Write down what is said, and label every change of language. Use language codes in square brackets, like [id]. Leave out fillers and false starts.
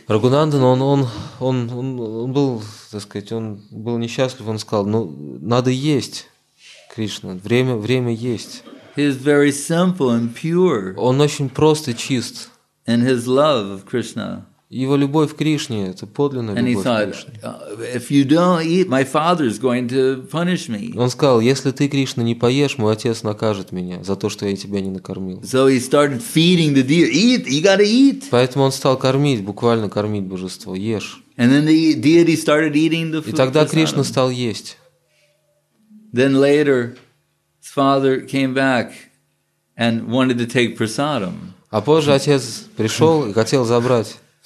[ru] Raghunandan, он был, так сказать, он был несчастлив. Он сказал: "Ну, надо есть, Кришна. Время есть." [en] He is very simple and pure. [ru] Он очень прост и чист. [en] And his love of Krishna. [ru] Его любовь к Кришне — это подлинная любовь к Кришне. [en] If you don't eat, my father's going to punish me. [ru] Он сказал: если ты, Кришна, не поешь, мой отец накажет меня за то, что я тебя не накормил. [en] So he started feeding the deity. Eat, you gotta eat. [ru] Поэтому он стал кормить, буквально кормить божество. Ешь. [en] And then the deity started eating the food. [ru] И тогда Кришна стал есть. [en] Then later, his father came back and wanted to take prasadam. [ru] А позже отец пришел и хотел забрать.